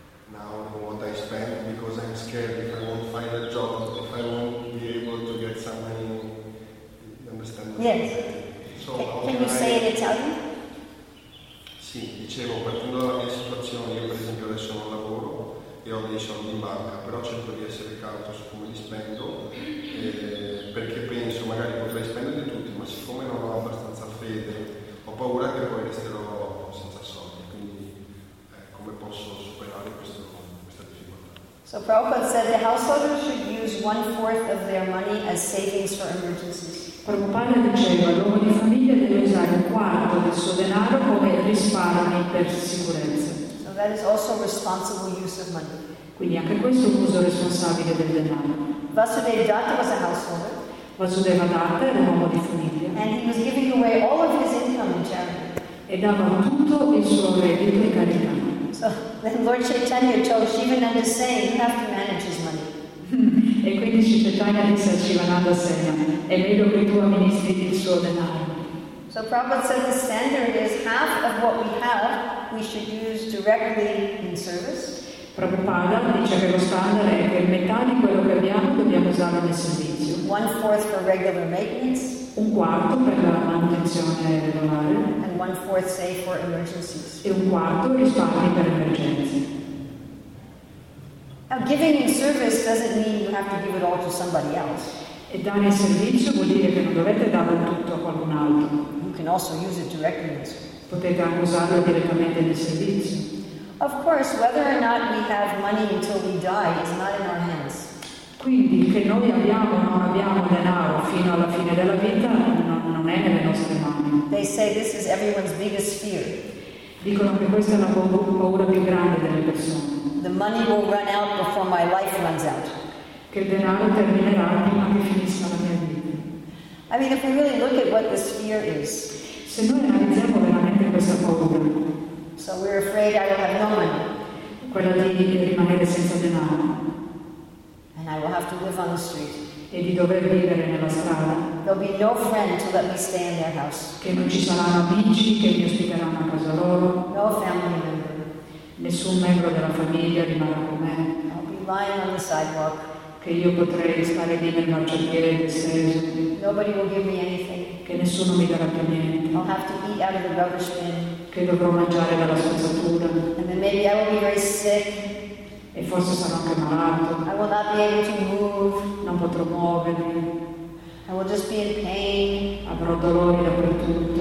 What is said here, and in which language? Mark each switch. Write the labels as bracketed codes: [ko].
[en] Now what I spend, because I'm scared if I won't find a job, if I won't be able to get some money, you understand? Yes. So can you say in Italian? [it] Sì, dicevo, partendo dalla mia situazione, io per esempio adesso non lavoro, e ho dei soldi in banca, però cerco di essere cauto su come li spendo, perché penso magari potrei spenderli tutti, ma siccome non ho abbastanza fede, ho paura che poi resterò senza soldi. Quindi come posso superare questa difficoltà? [en] So Prabhupada said the householder should use 1/4 of their money as savings for emergencies. [it] Prabhupada diceva l'uomo di famiglia deve usare 1/4 del suo denaro come risparmi per sicurezza. [en] That is also responsible use of money. [it] Quindi anche questo è un uso responsabile del denaro. [en] Vasudeva Datta was a householder. [it] Vasudeva Datta era un uomo di famiglia. [en] And he was giving away all of his income in charity. [it] E dava tutto il suo reddito in carità. [en] So then Lord Chaitanya told Shivananda Sen, you have to manage his money. [it] E quindi Sri Chaitanya disse a Shivananda Sen, è meglio che tu amministri il suo denaro. [en] So Prabhupada said the standard is half of what we have we should use directly in service. [it] Prabhupada dice che lo standard è che metà di quello che abbiamo dobbiamo usarlo nel servizio. [en] 1/4 for regular maintenance. [it] 1/4 per la manutenzione regolare. [en] And 1/4 say for emergencies. [it] E 1/4 risparmi per emergenze. [en] Now giving in service doesn't mean you have to give it all to somebody else. [it] E dare il servizio vuol dire che non dovete darlo tutto a qualcun altro. [en] You can also use it directly in service. [it] Potete anche usarlo direttamente nel servizio. [en] Of course, whether or not we have money until we die is not in our hands. [it] Quindi che noi abbiamo o non abbiamo denaro fino alla fine della vita non è nelle nostre mani. [en] They say this is everyone's biggest fear. [it] Dicono che questa è la paura più grande delle persone. [en] The money will run out before my life runs out. [it] Che il denaro terminerà prima che finisca la mia vita. [en] I mean, if we really look at what this fear is. [it] Se noi analizziamo veramente questa paura. [en] So we're afraid I will have no money. [it] Quella di rimanere senza denaro. [en] And I will have to live on the street. [it] E di dover vivere nella strada. [en] There'll be no friend to let me stay in their house. [it] Che non ci saranno amici che mi ospiteranno a casa loro. [en] No family member. [it] Nessun membro della famiglia rimarrà con me. [en] I'll be lying on the sidewalk. [it] Che io potrei stare lì nel marciapiede disteso. [en] Nobody will give me anything. [it] Che nessuno mi darà più niente. [en] I'll have to eat out of the rubbish bin. [it] Che dovrò mangiare dalla spazzatura. [en] And then maybe I will be very sick. [it] E forse sarò anche malato. [en] I will not be able to move. [it] Non potrò muovermi. [en] I will just be in pain. [it] Avrò dolori dappertutto.